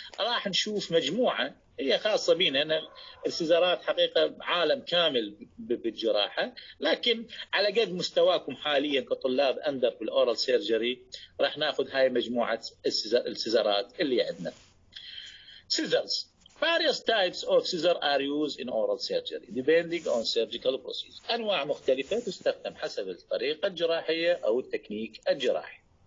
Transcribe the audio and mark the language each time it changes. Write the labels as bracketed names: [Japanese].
[Arabic] راح نشوف مجموعة هي خاصة بينا، أنا السيزرات حقيقة عالم كامل بالجراحة، لكن على قد مستواكم حاليا كطلاب أندر بالأورال سيرجري راح ناخذ هاي مجموعة السيزرات اللي عندنا. [English] Scissors Various types of scissors are used in oral surgery depending on surgical procedure. [Arabic] أنواع مختلفة تستخدم حسب الطريقة الجراحية أو التكنيك الجراحي.